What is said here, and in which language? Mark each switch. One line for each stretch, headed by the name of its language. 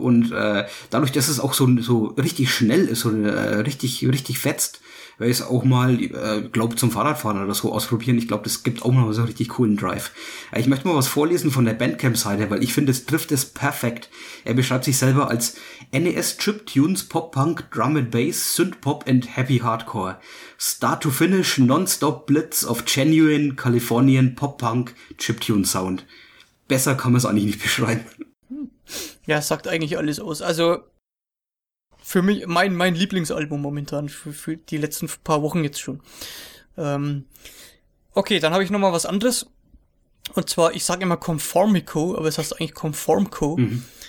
German: Und dadurch, dass es auch so richtig schnell ist, so richtig, richtig fetzt, werde ich es auch mal, glaube zum Fahrradfahren oder so ausprobieren. Ich glaube, das gibt auch mal so einen richtig coolen Drive. Ich möchte mal was vorlesen von der Bandcamp-Seite, weil ich finde, es trifft es perfekt. Er beschreibt sich selber als NES Chiptunes, Pop-Punk, Drum and Bass, Synth-Pop and Happy Hardcore.
English: Start to finish, non-stop blitz of genuine Californian Pop-Punk Chiptune Sound.
German: Besser kann man es eigentlich nicht beschreiben. Ja, sagt eigentlich alles aus. Also für mich, mein Lieblingsalbum momentan, für die letzten paar Wochen jetzt schon. Okay, dann habe ich nochmal was anderes. Und zwar, ich sage immer Conformico, aber es heißt eigentlich Conformco. Mhm.